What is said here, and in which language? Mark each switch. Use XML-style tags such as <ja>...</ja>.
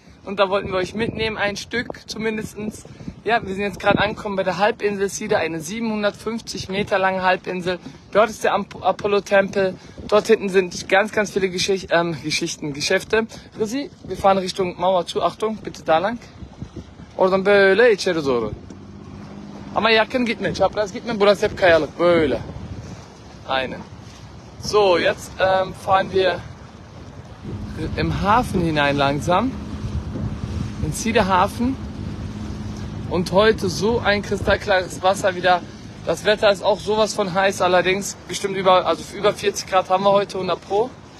<de>Und da wollten wir euch mitnehmen, ein Stück zumindest. Ja, wir sind jetzt gerade angekommen bei der Halbinsel Side, eine 750 Meter lange Halbinsel. Dort ist der Apollo-Tempel. Dort hinten sind ganz, ganz viele Geschäfte. Rizzi, wir fahren Richtung Mauer zu. Achtung, bitte da lang.</de> <tr>Oradan böyle içeri doğru. Ama yakın gitme, çapraz gitme. Burası hep kayalık, böyle. Aynen.</tr> <de>So, jetzt fahren wir im Hafen hinein langsam. In Siedehafen. Und heute so ein kristallklares Wasser wieder. Das Wetter ist auch sowas von heiß, allerdings bestimmt über 40 Grad haben wir heute 100 pro.</de>